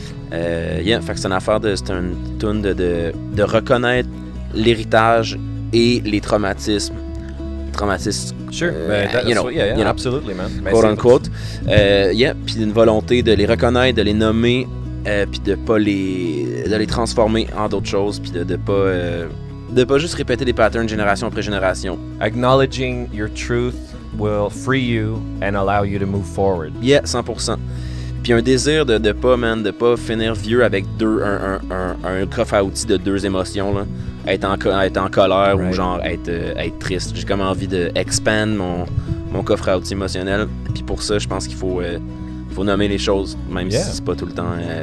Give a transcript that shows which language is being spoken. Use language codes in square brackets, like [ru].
[fr] Fait que c'est une affaire de, c'est une toune de reconnaître l'héritage et les traumatismes. [en] Sure, you know, absolutely, man. Quote unquote. [fr] Puis une volonté de les reconnaître, de les nommer, puis de pas les transformer en d'autres choses, puis de pas juste répéter des patterns génération après génération. [en] Acknowledging your truth will free you and allow you to move forward. Yeah, 100%. [fr] Puis un désir de pas finir vieux avec un coffre à outils de deux émotions, là. Être en colère, right. Ou genre être triste. J'ai comme envie de expand mon coffre à outils émotionnel. Puis pour ça, je pense qu'il faut nommer les choses, même si c'est pas tout le temps.